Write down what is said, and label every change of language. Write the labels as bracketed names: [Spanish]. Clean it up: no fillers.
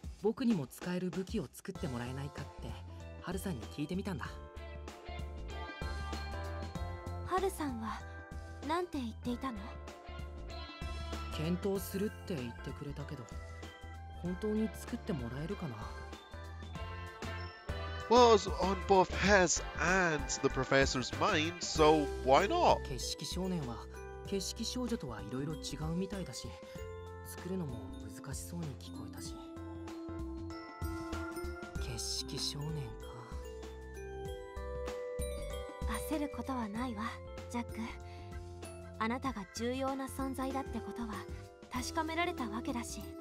[Japanese] 僕にも使える武器を作ってもらえないかって、ハルさんに聞いてみたんだ。ハルさんは、なんて言っていたの？検討するって言ってくれたけど、本当に作ってもらえるかな？ [English] Well, on both his and the professor's mind, so why not? [Japanese] 景色少年は、景色少女とはいろいろ違うみたいだし、作るのも難しそうに聞こえたし。景色少年か。焦ることはないわ、ジャック。あなたが重要な存在だってことは確かめられたわけだし。